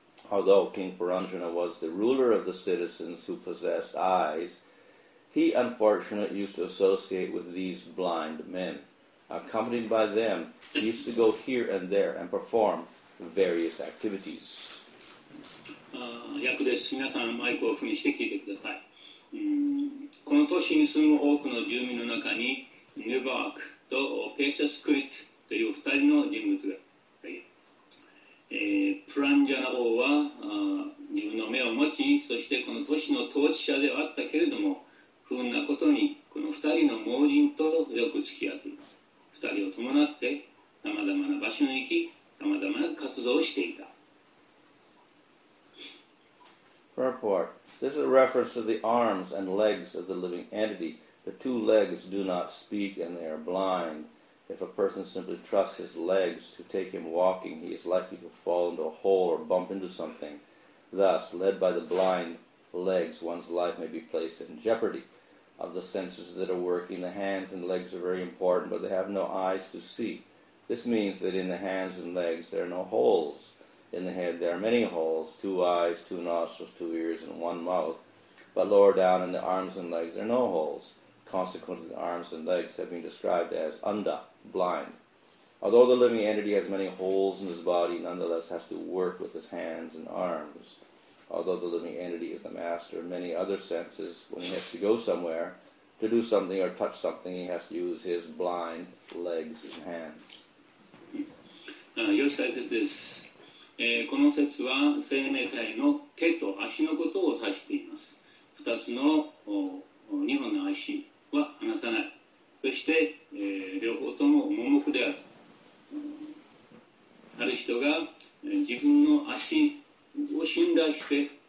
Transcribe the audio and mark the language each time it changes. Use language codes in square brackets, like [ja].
[en] Although King Paranjana was the ruler of the citizens who possessed eyes, he unfortunately used to associate with these blind men. Accompanied by them, he used to go here and there and perform various activities. [ja] 訳です。皆さんマイクオフにして聞いてください。この都市に住む多くの住民の中にヌバークとペーシャスクリットという二人の人物がいる。プランジャナ王は自分の目を持ち、そしてこの都市の統治者ではあったけれども、不運なことにこの二人の盲人とよく付き合っている。二人を伴ってさまざまな場所に行き、さまざまな活動をしていた。 [en] Purport. This is a reference to the arms and legs of the living entity. The two legs do not speak and they are blind. If a person simply trusts his legs to take him walking, he is likely to fall into a hole or bump into something. Thus, led by the blind legs, one's life may be placed in jeopardy. Of the senses that are working, the hands and legs are very important, but they have no eyes to see. This means that in the hands and legs there are no holes. In the head there are many holes, two eyes, two nostrils, two ears, and one mouth. But lower down in the arms and legs there are no holes. Consequently, the arms and legs have been described as anda, blind. Although the living entity has many holes in his body, nonetheless has to work with his hands and arms. Although the living entity is the master of many other senses, when he has to go somewhere to do something or touch something, he has to use his blind legs and hands. Your side of this. [ja] この説は生命体の手と足のことを指しています。 2つの2本の足は離さない。そして、両方とも盲目である。ある人が自分の足を信頼して